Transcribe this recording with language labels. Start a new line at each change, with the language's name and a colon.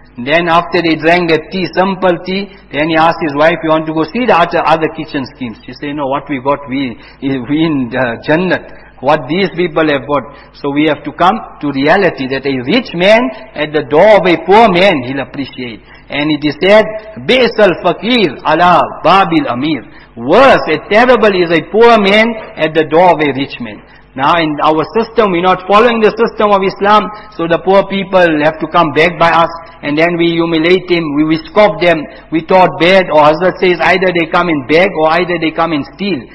English: And then after they drank that tea, simple tea. Then he asked his wife, you want to go see the other kitchen schemes? She said, no, what we got, we in Jannat. What these people have got. So we have to come to reality. That a rich man at the door of a poor man, he'll appreciate. And it is said,
Arabic: بئس الفقير على باب الأمير.
English: Worse and terrible is a poor man at the door of a rich man. Now in our system, we're not following the system of Islam, so the poor people have to come back by us, and then we humiliate them, we scoff them, we taught bad, or Hazrat says, either they come in beg, or either they come in steal.